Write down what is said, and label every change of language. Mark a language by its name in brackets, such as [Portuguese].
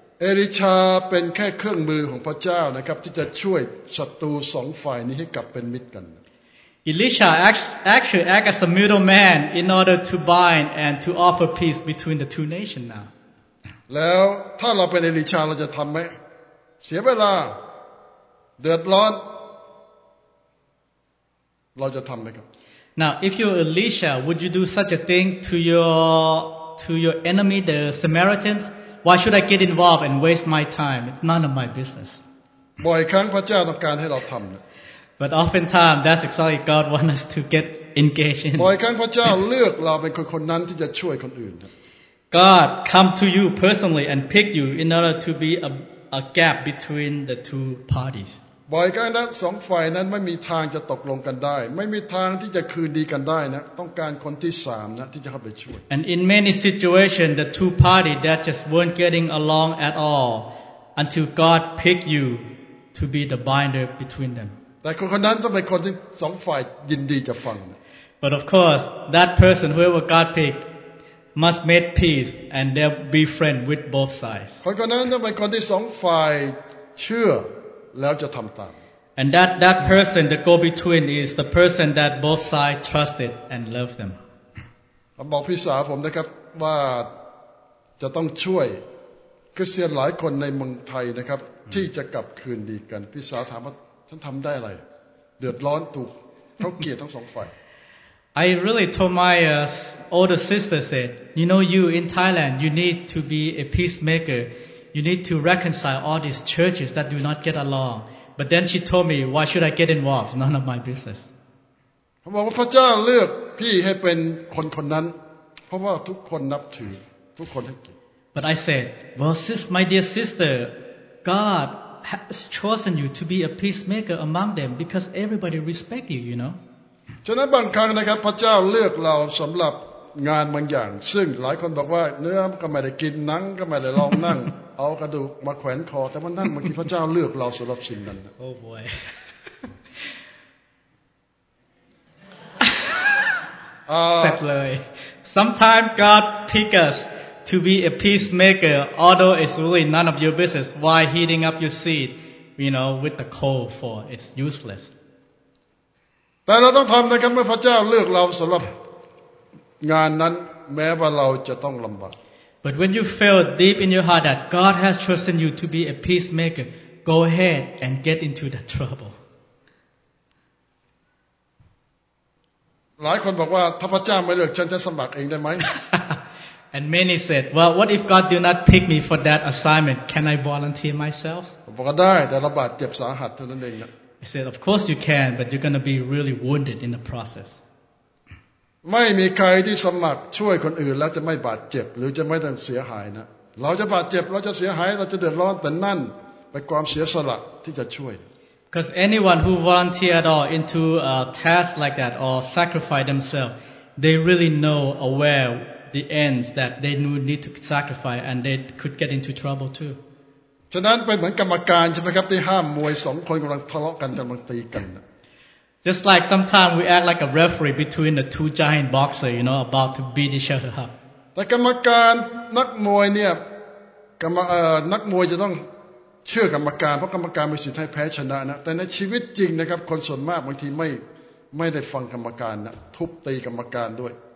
[Thai] Elisha เป็นแค่เครื่องมือของพระเจ้านะครับที่จะช่วยศัตรูสองฝ่ายนี้ให้กลับเป็นมิตรกัน [English] Elisha actually act as a middleman in order to bind and to offer peace between the two nations now. [Thai] แล้วถ้าเราเป็นเอลิชาเราจะทำไหมเสียเวลาเดือดร้อนเราจะทำไหมครับ [English] Now, if you're Elisha, would you do such a thing to your enemy, the Samaritans? Why should I get involved and waste my time? It's none of my business. [Thai] บ่อยครั้งพระเจ้าต้องการให้เราทำนะ [English] But oftentimes, that's exactly God wants us to get engaged in. [Thai] บ่อยครั้งพระเจ้าเลือกเราเป็นคนๆนั้นที่จะช่วยคนอื่นครับ [English] God come to you personally and pick you in order to be a gap between the two parties. [Thai] บ่อยครั้งนั้นสองฝ่ายนั้นไม่มีทางจะตกลงกันได้ไม่มีทางที่จะคืนดีกันได้นะต้องการคนที่สามนะที่จะเข้าไปช่วย [English] And in many situations the two parties that just weren't getting along at all until God picked you to be the binder between them [Thai] แต่คนนั้นต้องเป็นคนที่สองฝ่ายยินดีจะฟัง [English] But of course that person whoever God picked must make peace and they'll be friend with both sides [Thai] คนนั้นต้องเป็นคนที่สองฝ่ายเชื่อแล้วจะทําตาม [English] And that person the go between is the person that both sides trusted and loved them [Thai] ผมบอกพี่สาวผมนะครับว่าจะต้องช่วยคริสเตียนหลายคนในเมืองไทยนะครับที่จะกลับคืนดีกันพี่สาวถามว่าฉันทําได้อะไรเดือดร้อนถูกเค้าเกลียดทั้ง2ฝ่าย [English] I really told my older sister said you know you in Thailand you need to be a peacemakerYou need to reconcile all these churches that do not get along. But then she told me, why should I get involved? It's none of my business. I said, God chose me to be that person because everyone respects me. But I said, well, my dear sister, God has chosen you to be a peacemaker among them because everybody respects you, you know? So sometimes, God chose us for something like this, which many people say, you don't have to eat, you don't have to sit down. [Thai] เอากระดูกมาแขวนคอแต่วันนั้นบางทีพระเจ้าเลือกเราสำหรับสิ่งนั้น โอ้ [English] boy [Thai] เสร็จเลย [English] Sometimes God pick us to be a peacemaker although it's really none of your business why heating up your seat you know with the coal for it's useless [Thai] แต่เราต้องทำนะครับเมื่อพระเจ้าเลือกเราสำหรับงานนั้นแม้ว่าเราจะต้องลำบาก [English] But when you feel deep in your heart that God has chosen you to be a peacemaker, go ahead and get into the trouble. [Thai] หลายคนบอกว่าถ้าพระเจ้าไม่เลือกฉันจะสมัครเองได้ไหม [English] And many said, well, what if God do not pick me for that assignment? Can I volunteer myself? [Thai] บอกได้แต่ระบาดเจ็บสาหัสเท่านั้นเองนะ [English] I said, of course you can, but you're going to be really wounded in the process. [Thai] ไม่มีใครที่สมัครช่วยคนอื่นแล้วจะไม่บาดเจ็บหรือจะไม่ต้องเสียหายนะเราจะบาดเจ็บเราจะเสียหายเราจะเดือดร้อนแต่นั่นเป็นความเสียสละที่จะช่วย [English] Because anyone who volunteer at all into a task like that or sacrifice themselves they really know aware the ends that they need to sacrifice and they could get into trouble too [Thai] ฉะนั้นเป็นเหมือนกรรมการใช่ไหมครับที่ห้ามมวย2คนกำลังทะเลาะกันกำลังตีกัน [English] Just like sometimes we act like a referee between the two giant boxers, you know, about to beat each other up. [Thai] แต่กรรมการนักมวยเนี่ยกรรมนักมวยจะต้องเชื่อกรรมการเพราะกรรมการมีสิทธิ์ให้แพ้ชนะนะแต่ในชีวิตจริงนะครับคนส่วนมากบางทีไม่ได้ฟังกรรมการนะทุบตีกรรมการด้วย